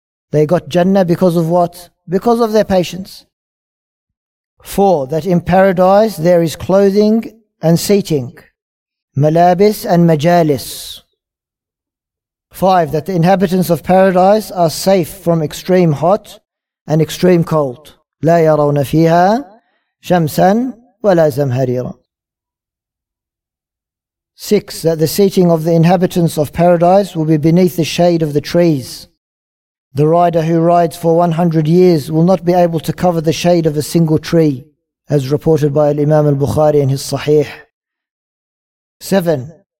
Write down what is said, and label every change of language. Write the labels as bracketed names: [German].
[English] They got Jannah because of what? Because of their patience. Four, that in paradise there is clothing and seating, malabis and majalis. Five, that the inhabitants of paradise are safe from extreme hot and extreme cold. [Arabic] لا يرون فيها شمسا ولا زمهريرا. [English] Six, that the seating of the inhabitants of paradise will be beneath the shade of the trees. The rider who rides for 100 years will not be able to cover the shade of a single tree, as reported by Imam al-Bukhari in his Sahih. 7.